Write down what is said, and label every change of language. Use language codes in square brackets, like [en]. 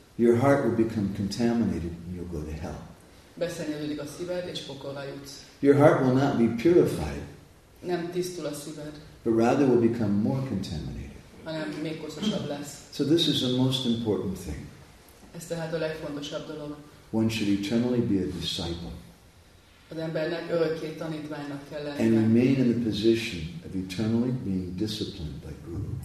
[en] Your heart will become contaminated and you'll go to hell. [hu] Beszennyeződik a szíved, és pokolra jutsz. [en] Your heart will not be purified. [hu] Nem tisztul a szíved. [en] But rather will become more contaminated. [hu] Hanem még koszosabb lesz. [en] So this is the most important thing. [hu] Ez tehát a legfontosabb dolog. [en] One should eternally be a disciple. [hu] Az embernek örökké tanítványnak kell lenni. [en] And remain in the position of eternally being disciplined by Guru.